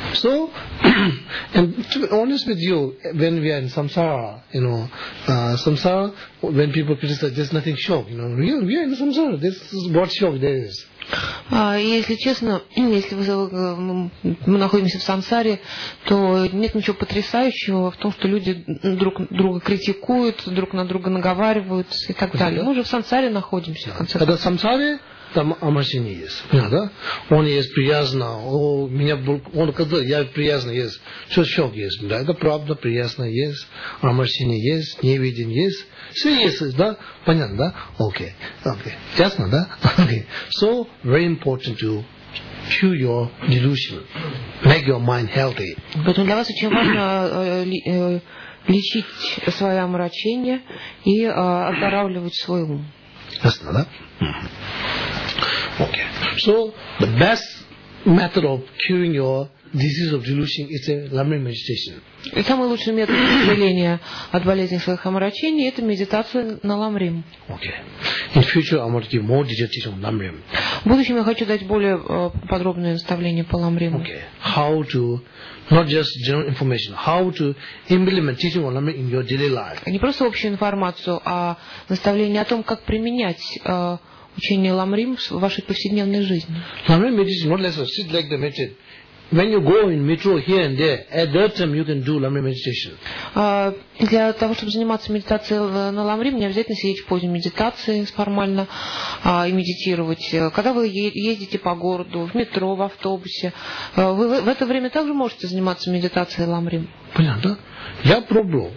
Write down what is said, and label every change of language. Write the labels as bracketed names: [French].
[English] So, and to be honest with you, when we are in samsara, you know, samsara, when people criticize, there's nothing shock, you know. We are in samsara, this is what shock there is. [Russian] Если честно, если мы находимся в самсаре, то нет ничего потрясающего в том, что люди друг друга критикуют, друг на друга наговариваются и так далее. Мы же в самсаре находимся. Да. Когда в самсаре, там амасини есть. Понятно, да? Он есть приязно. Он сказал, я приязно есть. Все шок есть. Да, это правда, приязно есть. Амасини есть, невидим есть. Все есть, да? Понятно, да? Окей. Okay. Okay. Ясно, да? Okay. [English] So, very important to cure your delusion. Make your mind healthy. [Russian] Поэтому для вас очень важно лечить свое омрачение и оздоравливать свой ум. Ясно, да? Okay. [English] So, the best method of curing your disease of delusion is a lamrim meditation. [Russian] И самый лучший метод исцеления от болезни своих омрачений – это медитация на ламрим. [English] Okay. In future, I want to give more details on ламрим. [Russian] В будущем я хочу дать более подробное наставление по ламриму. Okay. [English] How to, not just general information, how to implement teaching on ламрим in your daily life. [Russian] Не просто общую информацию, а наставление о том, как применять учение ламрим в вашей повседневной жизни. Ламрим медитация, [English] not less, sit like the method. When you go in metro here and there, at that time you can do ламрим meditation. [Russian] Для того, чтобы заниматься медитацией на ламрим, не обязательно сидеть в позе медитации формально и медитировать. Когда вы ездите по городу, в метро, в автобусе, вы в это время также можете заниматься медитацией ламрим? Понятно, да? Я пробовал.